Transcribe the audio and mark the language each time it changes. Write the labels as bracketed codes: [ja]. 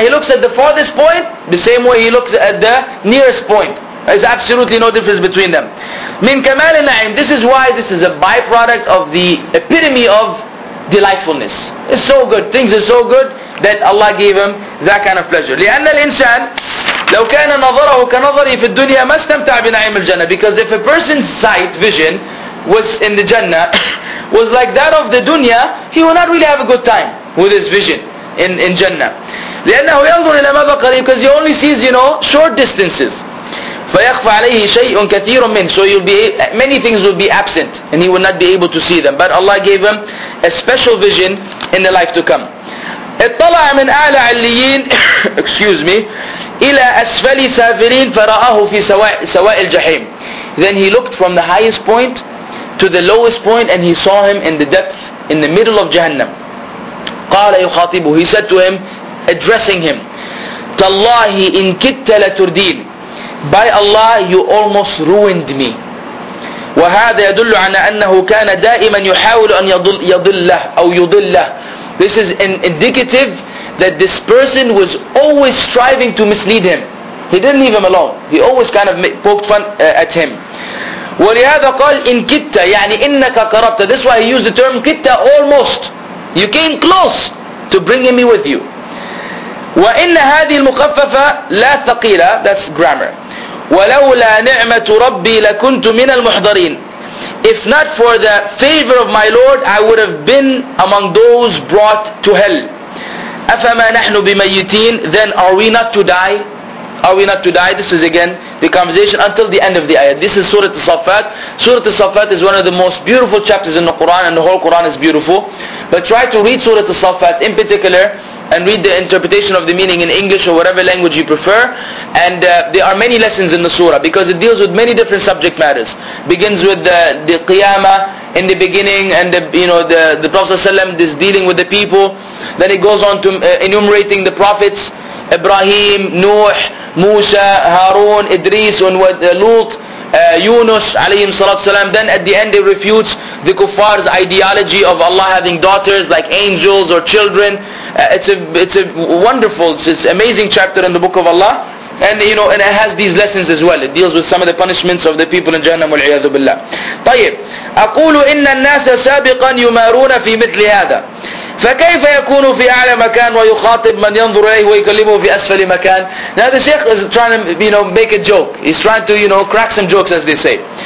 [en] He looks at the farthest point the same way he looks at the nearest point. There's absolutely no difference between them. [ar] من كمال النعيم. [en] This is why this is a byproduct of the epitome of delightfulness. It's so good. Things are so good that Allah gave him that kind of pleasure. [ar] لأن الإنسان لو كان نظره كنظري في الدنيا ما استمتع بنعيم الجنة. [en] Because if a person's sight, vision was in the Jannah was like that of the dunya, he will not really have a good time with his vision in Jannah. [ar] لأنه ينظر إلى ماذا قريب. [en] Because he only sees, you know, short distances. [ar] فيخفى عليه شيء كثير منه. [en] So you'll be, many things will be absent and he will not be able to see them. But Allah gave him a special vision in the life to come. [ar] اطلع من أعلى عليين [en] excuse me [ar] إلى أسفل سافرين فرآه في سواء الجحيم. [en] Then he looked from the highest point to the lowest point and he saw him in the depth, in the middle of Jahannam. [ar] قال يخاطبه. [en] He said to him, addressing him, [ar] تالله إن كدت لتردين. [en] By Allah, you almost ruined me. [ar] وهذا يدل على أنه كان دائما يحاول أن يضله أو يضله. [en] This is an indicative that this person was always striving to mislead him. He didn't leave him alone. He always kind of poked fun at him. [ar] ولهذا قال إن كدت يعني إنك قربت. [en] This is why he used the term كدت, almost. You came close to bringing me with you. [ar] وإن هذه المخففة لا ثقيلة. [en] That's grammar. [ar] ولولا نعمة ربي لكنت من المحضرين. [en] If not for the favor of my Lord, I would have been among those brought to hell. [ar] أفما نحن بميتين. [en] Then are we not to die? Are we not to die? This is again the conversation until the end of the ayah. This is Surah As-Saffat. Surah As-Saffat is one of the most beautiful chapters in the Quran, and the whole Quran is beautiful. But try to read Surah As-Saffat in particular, and read the interpretation of the meaning in English or whatever language you prefer. And there are many lessons in the surah, because it deals with many different subject matters. Begins with the Qiyamah in the beginning, and the Prophet ﷺ is dealing with the people. Then it goes on to enumerating the prophets: Ibrahim, Nuh, Musa, Harun, Idris, and Lut, Yunus, alayhim salatu salam. Then at the end, it refutes the kuffar's ideology of Allah having daughters like angels or children. It's a wonderful, it's an amazing chapter in the book of Allah. And and it has these lessons as well. It deals with some of the punishments of the people in Jahannam, wal-iyadu billah. [ar] طيب, أقول إن الناس سابقا يمارون في مثل هذا. فكيف يكون في أعلى مكان ويخاطب من ينظر إليه ويكلمه في أسفل مكان. [en] Now the Sheikh is trying to make a joke. He's trying to crack some jokes, as they say.